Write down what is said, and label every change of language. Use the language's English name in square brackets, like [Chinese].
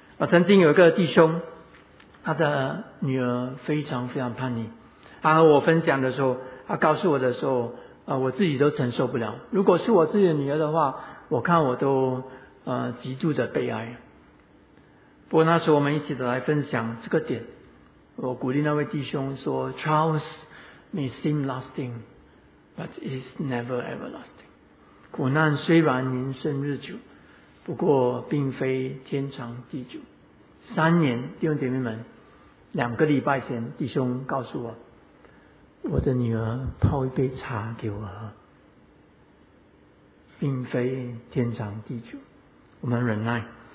[Chinese] 曾经有一个弟兄，他的女儿非常非常叛逆，他和我分享的时候，他告诉我的时候，我自己都承受不了。如果是我自己的女儿的话，我看我都极度的悲哀。不过那时候我们一起的来分享这个点，我鼓励那位弟兄说 ： [English] “Trials may seem lasting。” But it's never everlasting. [Chinese] 苦难虽然年深日久，不过并非天长地久。三年，弟兄姐妹们，两个礼拜前，弟兄告诉我，我的女儿泡一杯茶给我喝，并非天长地久。我们忍耐。